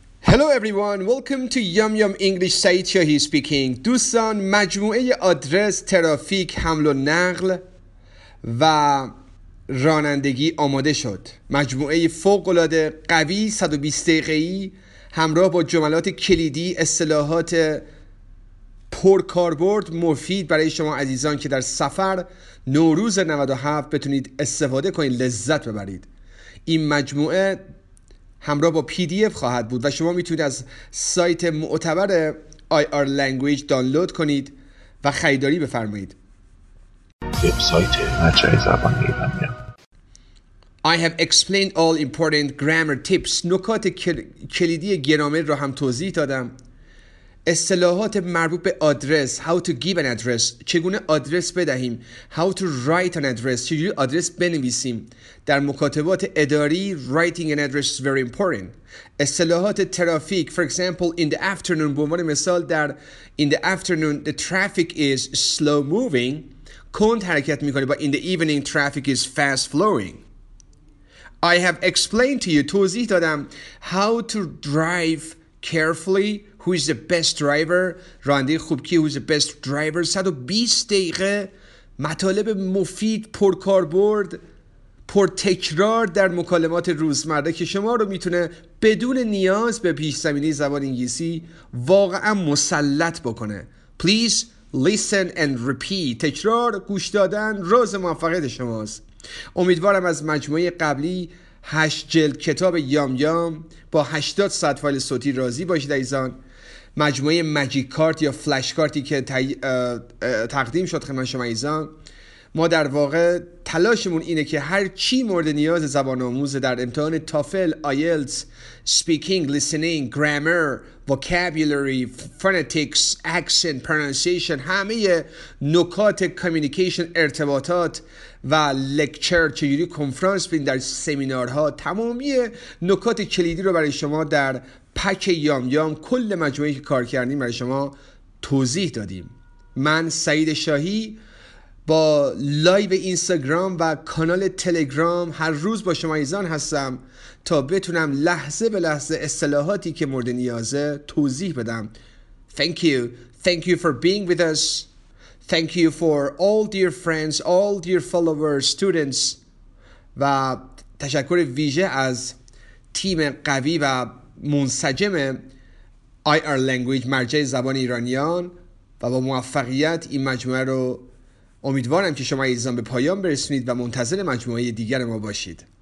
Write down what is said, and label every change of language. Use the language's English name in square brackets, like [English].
[English] Hello everyone, welcome to Yum Yum English Saichi speaking. [Persian] دوستان، مجموعه آدرس، ترافیک، حمل و نقل و رانندگی آماده شد. مجموعه فوق‌العاده قوی 120 دقیقه‌ای همراه با جملات کلیدی، اصطلاحات پرکاربرد، مفید برای شما عزیزان که در سفر نوروز 97 بتونید استفاده کنید، لذت ببرید. این مجموعه همراه با PDF خواهد بود و شما میتونید از سایت معتبر IR Language دانلود کنید و خریداری بفرمایید. وبسایت مرجع زبان ایرانیان. [English] I have explained all important grammar tips. [Persian] نکات کلیدی گرامر را هم توضیح دادم. اصطلاحات مربوط به آدرس، [English] how to give an address، [Persian] چگونه آدرس بدهیم، [English] how to write an address، [Persian] چجوری آدرس بنویسیم. در مکاتبات اداری [English] writing an address is very important. [Persian] اصطلاحات ترافیک، [English] for example in the afternoon، [Persian] به عنوان مثال در [English] in the afternoon the traffic is slow moving، [Persian] کند حرکت میکنه، [English] but in the evening traffic is fast flowing. I have explained to you، [Persian] توضیح دادم، [English] how to drive carefully، who is the best driver، [Persian] راننده خوب کی، [English] who is the best driver. [Persian] 120 دقیقه مطالب مفید، پرکاربرد، پرتکرار در مکالمات روزمره که شما رو میتونه بدون نیاز به پیش‌زمینه زبان انگلیسی واقعا مسلط بکنه. [English] Please listen and repeat. [Persian] تکرار، گوش دادن راز موفقیت شماست. امیدوارم از مجموعه قبلی 8 جلد کتاب یام یام با 80 ساعت فایل صوتی راضی باشید عزیزان. مجموعه مجیک کارت یا فلش کارتی که تقدیم شد خدمت شما عزیزان، ما در واقع تلاشمون اینه که هر چی مورد نیاز زبان آموز در امتحان تافل، آیلتس، سپیکینگ، لیسنینگ، گرامر، وکابولری، فونتیکس، اکسنت، پرنانسیشن، همه نکات کمیونیکیشن، ارتباطات و لکچر، چجوری کنفرانس بین در سمینارها، تمامی نکات کلیدی رو برای شما در پک یام یام، کل مجموعه که کار کردیم، برای شما توضیح دادیم. من سعید شاهی با لایو اینستاگرام و کانال تلگرام هر روز با شما عزیزان هستم تا بتونم لحظه به لحظه اصطلاحاتی که مورد نیازه توضیح بدم. [English] Thank you. Thank you for being with us. Thank you for all dear friends, all dear followers, students. [Persian] و تشکر ویژه از تیم قوی و منسجم IR Language، مرجع زبان ایرانیان. و با موفقیت این مجموعه رو امیدوارم که شما عزیزان به پایان برسونید و منتظر مجموعه دیگر ما باشید.